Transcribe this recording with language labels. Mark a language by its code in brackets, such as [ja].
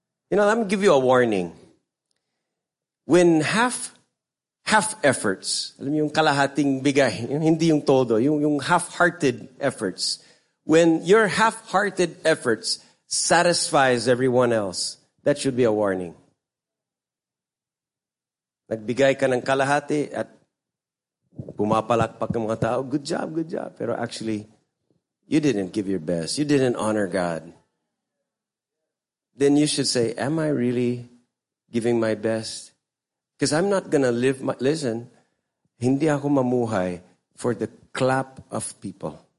[en] You know, let me give you a warning. When half efforts, [tl] alam yung kalahating bigay, yung hindi yung todo, yung [en] half-hearted efforts, when your half-hearted efforts satisfies everyone else, that should be a warning. [tl] Nagbigay ka ng kalahati at pumapalakpak ng mga tao, [en] good job. Pero actually, you didn't give your best. You didn't honor God. Then you should say, am I really giving my best? Because I'm not going to live my... Listen, [tl] hindi ako mamuhay [en] for the clap of people.